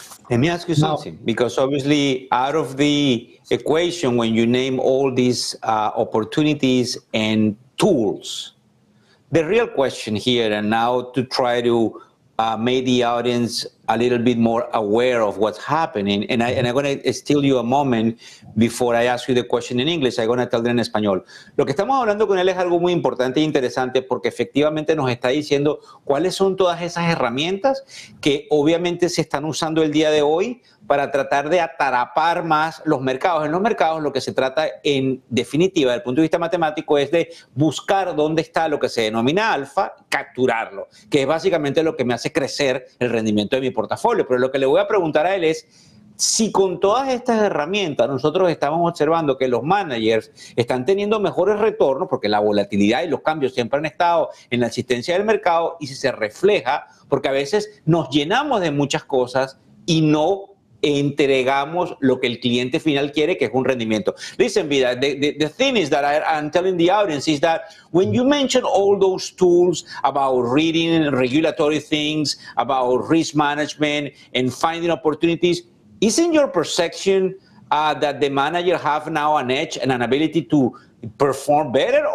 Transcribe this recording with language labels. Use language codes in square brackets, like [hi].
[en] Let me ask you something, because obviously out of the equation, when you name all these opportunities and tools, the real question here and now to try to make the audience a little bit more aware of what's happening, and I'm going to steal you a moment before I ask you the question in English. I'm going to tell them in español. [es] Lo que estamos hablando con él es algo muy importante e interesante porque efectivamente nos está diciendo cuáles son todas esas herramientas que obviamente se están usando el día de hoy para tratar de atrapar más los mercados. En los mercados lo que se trata en definitiva, desde el punto de vista matemático, es de buscar dónde está lo que se denomina alfa, capturarlo, que es básicamente lo que me hace crecer el rendimiento de mi portafolio. Pero lo que le voy a preguntar a él es, si con todas estas herramientas nosotros estamos observando que los managers están teniendo mejores retornos, porque la volatilidad y los cambios siempre han estado en la existencia del mercado, y si se refleja, porque a veces nos llenamos de muchas cosas y no entregamos lo que el cliente final quiere, que es un rendimiento. [en] Listen, Vidak, the thing is that I'm telling the audience is that when you mention all those tools about reading and regulatory things, about risk management and finding opportunities, isn't your perception that the manager have now an edge and an ability to perform better?